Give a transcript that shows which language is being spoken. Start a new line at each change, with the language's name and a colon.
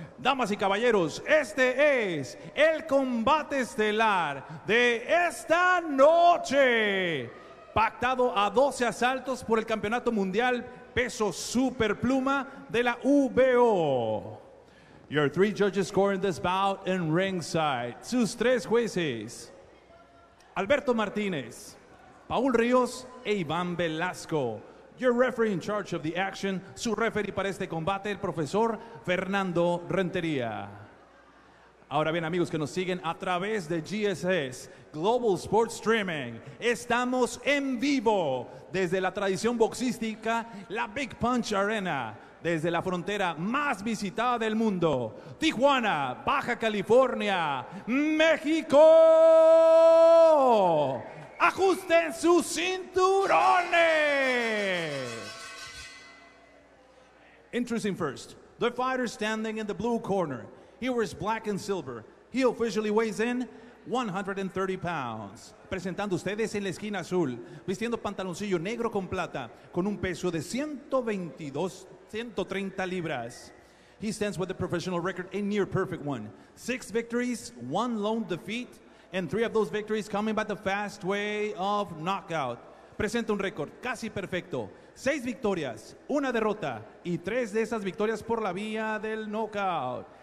Spanish: Damas y caballeros, este es el combate estelar de esta noche. Pactado a 12 asaltos por el Campeonato Mundial Peso Super Pluma de la UBO.
English: Your three judges scoring this bout in ringside.
Spanish: Sus tres jueces, Alberto Martinez, Paul Rios e Iván Velasco.
English: Your referee in charge of the action,
Spanish: su referee para este combate, el profesor Fernando Rentería. Ahora bien, amigos que nos siguen a través de GSS Global Sports Streaming, estamos en vivo desde la tradición boxística, la Big Punch Arena, desde la frontera más visitada del mundo, Tijuana, Baja California, México. ¡Ajusten sus cinturones!
English: Interesting first, the fighter standing in the blue corner. He wears black and silver. He officially weighs in 130 pounds.
Spanish: Presentando ustedes en la esquina azul, vistiendo pantaloncillo negro con plata, con un peso de 130 libras.
English: He stands with a professional record, a near perfect one. 6 victories, 1 lone defeat, and 3 of those victories coming by the fast way of knockout.
Spanish: Presenta un récord casi perfecto. 6 victorias, 1 derrota, y 3 de esas victorias por la vía del knockout.